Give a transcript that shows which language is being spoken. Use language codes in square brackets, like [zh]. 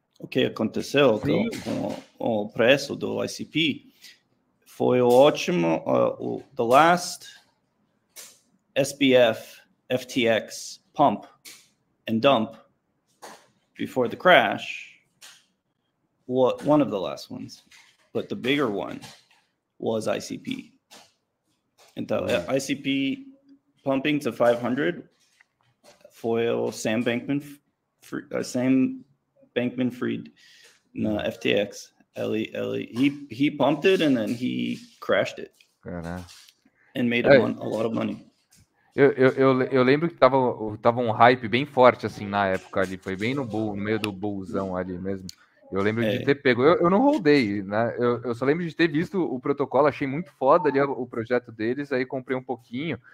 [pt] O que aconteceu com o preço do ICP foi ótimo. [en] The last SBF, FTX pump and dump before the crash, one of the last ones, but the bigger one was ICP. [pt] Então, ICP [en] pumping to 500 [pt] foi o Sam Bankman-Fried na FTX. [en] He pumped it and then he crashed it. And made a lot of money. [pt] Eu lembro que tava um hype bem forte assim na época ali. Foi bem no bull, no meio do bullzão ali mesmo. Eu lembro de ter pego, eu não holdei, né? Eu só lembro de ter visto o protocolo, achei muito foda ali o projeto deles, aí comprei um pouquinho.